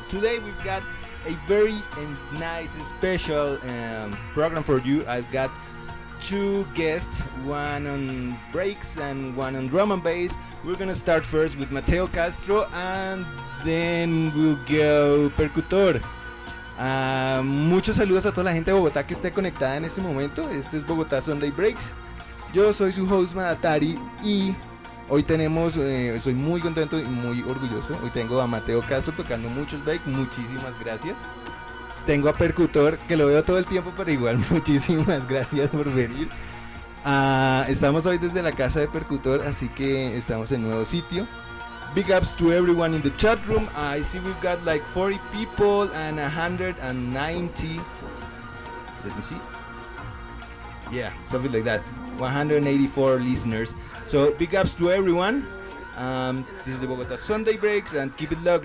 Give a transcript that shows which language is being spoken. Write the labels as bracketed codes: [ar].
[en] Today we've got a very nice special program for you. I've got two guests, one on breaks and one on drum and bass. We're gonna start first with Mateo Castro and then we'll go Percutor. [es] Muchos saludos a toda la gente de Bogotá que esté conectada en este momento. Este es Bogotá Sunday Breaks. Yo soy su host Madatari y hoy tenemos, soy muy contento y muy orgulloso. Hoy tengo a Mateo Castro tocando muchos breaks, muchísimas gracias. Tengo a Percutor, que lo veo todo el tiempo, pero igual muchísimas gracias por venir. Estamos hoy desde la casa de Percutor, así que estamos en nuevo sitio. [en] Big ups to everyone in the chat room. I see we've got like 40 people and 190. Let me see. Yeah, something like that. 184 listeners. So big ups to everyone. This is the Bogota Sunday Breaks and keep it locked.